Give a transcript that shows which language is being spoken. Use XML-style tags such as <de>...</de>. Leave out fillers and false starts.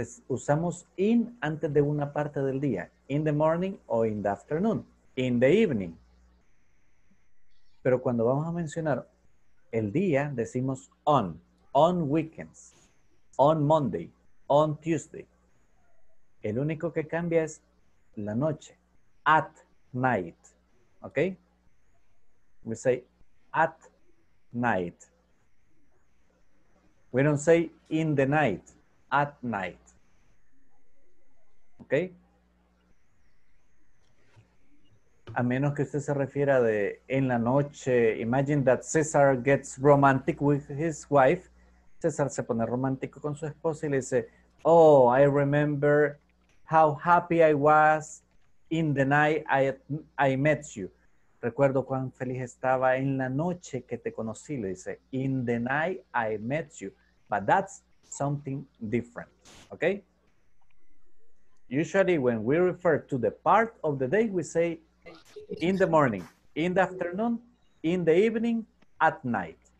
<es>Usamos in antes de una parte del día.</es> <en>In the morning o in the afternoon, in the evening.</en> <es>Pero cuando vamos a mencionar el día, decimos</es> <en>on weekends, on Monday, on Tuesday.</en> <es>El único que cambia es la noche,</es> <en>at night,</en> <es>okay?</es> <en>We say at night. We don't say in the night, at night, okay?</en> <es>A menos que usted se refiera de en la noche.</es> <en>Imagine that César gets romantic with his wife.</en> <es>César se pone romántico con su esposa y le dice,</es> <en>oh, I remember how happy I was in the night I met you.</en> <es>Recuerdo cuán feliz estaba en la noche que te conocí. Le dice,</es> <en>in the night I met you. But that's something different, okay? Usually when we refer to the part of the day, we say, in the morning, in the afternoon, in the evening, at night.</en>